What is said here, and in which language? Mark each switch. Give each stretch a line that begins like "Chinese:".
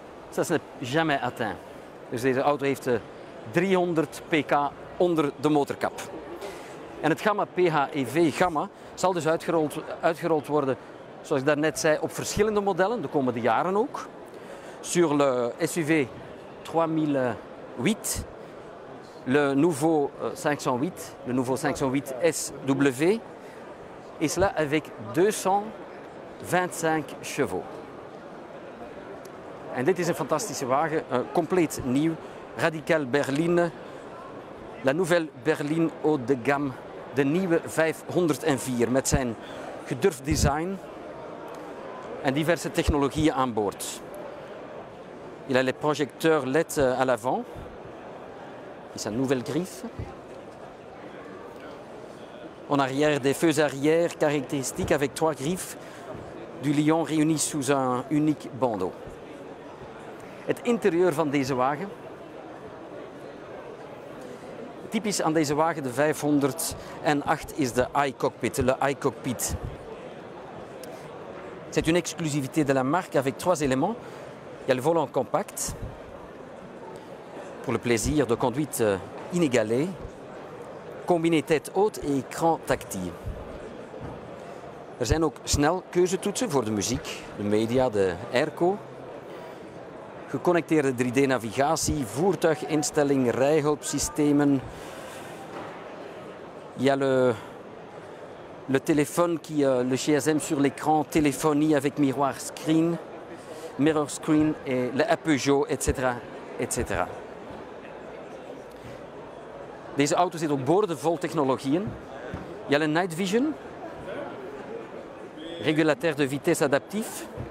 French: Ça n'est jamais atteint.
Dutch: Dus deze auto heeft 300 pk onder de motorkap. En het gamma PHEV gamma zal dus uitgerold worden, zoals ik daarnet zei, op verschillende modellen, de komende jaren ook.
French: Sur le SUV 3008, le nouveau 508, le nouveau 508 SW, et cela avec 225 chevaux.
Dutch: En dit is een fantastische wagen, compleet nieuw, radicaal berline,
French: la nouvelle berline haut de gamme,
Dutch: de nieuwe 504 met zijn gedurfd design en diverse technologieën aan boord.
French: Il a les projecteurs LED à l'avant, c'est sa nouvelle griffe. en arrière des feux arrière caractéristiques avec trois griffes du lion réunies sous un unique bandeau.
Dutch: Het interieur van deze wagen. Typisch aan deze wagen, de 508, is de i-cockpit, le i-cockpit.
French: C'est une exclusivité de la marque avec trois éléments. Il y a le volant compact, pour le plaisir de conduite inégalé, combiné tête haute et écran tactile.
Dutch: Er zijn ook snel keuzetoetsen voor de muziek, de media, de airco. Geconnecteerde 3D-navigatie, voertuiginstelling, rijhulpsystemen.
French: Il y a le téléphone qui le GSM sur l'écran, téléphonie avec mirror screen et le Peugeot, etc. etc.
Dutch: Deze auto zit ook boordevol technologieën.
French: Il y a le night vision, régulateur de vitesse adaptief.